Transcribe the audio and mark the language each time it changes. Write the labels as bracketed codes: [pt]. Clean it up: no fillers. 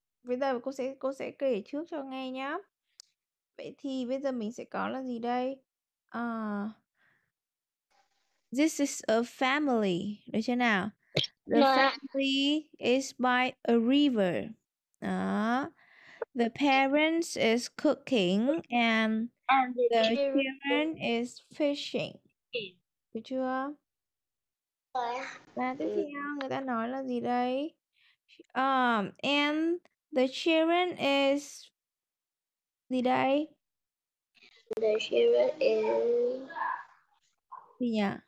[vi] Bây giờ cô sẽ kể trước cho nghe nhá. Vậy thì bây giờ mình sẽ có là gì đây? [en] This is a family, [vi] được chưa nào? [en] The family is by a river. Đó. The parents is cooking and the children is fishing. [vi] Được chưa? Và tiếp theo người ta nói là gì đây? [en] And the children is [vi] gì đây? [en] The children is [vi] gì nhỉ?